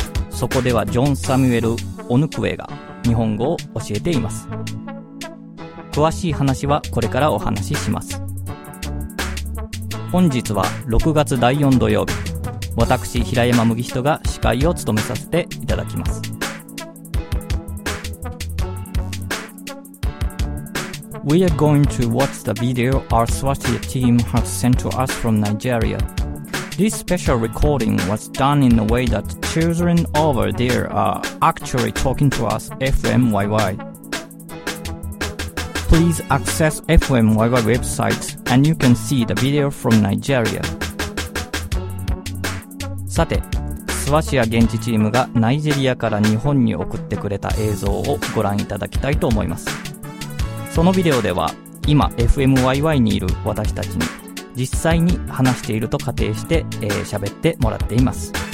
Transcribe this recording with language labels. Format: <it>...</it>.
<ja>そこではジョン・サミュエル・オヌクウェが日本語を教えています。詳しい話はこれからお話しします。本日は6月第4土曜日、私平山麦人が司会を務めさせていただきます。</ja> <en>We are going to watch the video our Swasia team has sent to us from Nigeria. This special recording was done in a way that children over there are actually talking to us FMYY. Please access FMYY websiteAnd you can see the video from Nigeria.</en> <ja>さて、スワシア現地チームがナイジェリアから日本に送ってくれた映像をご覧いただきたいと思います。そのビデオでは、今 FMYY にいる私たちに実際に話していると仮定して喋ってもらっています。</ja>